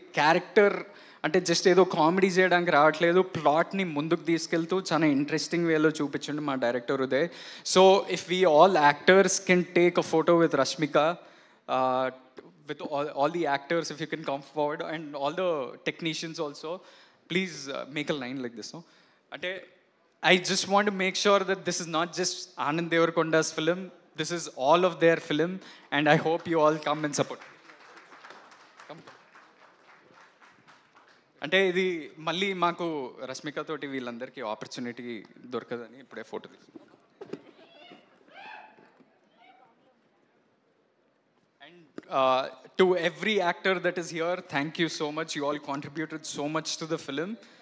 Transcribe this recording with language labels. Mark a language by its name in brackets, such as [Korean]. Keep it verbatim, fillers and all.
[Telugu] Character అంటే just ఏదో comedy చేయడానికి రావట్లేదు, ప్లాట్ని ముందుకు తీసుకెళ్తూ చాలా ఇంట్రెస్టింగ్ వేలో చూపించండి మా director Uday. [English] So if we all actors can take a photo with Rashmika, uh, with all, all the actors, if you can come forward, and all the technicians also, please uh, make a line like this. No? Ante, I just want to make sure that this is not just Anand Devarkonda's film, this is all of their film, and I hope you all come and support. [Telugu] అంటే ఇది మళ్ళీ మాకు రష్మికతోటి వీళ్ళందరికీ opportunity దొరకదని ఇప్పుడే photo తీసుకు. [English] And uh, to every actor that is here, thank you so much. You all contributed so much to the film.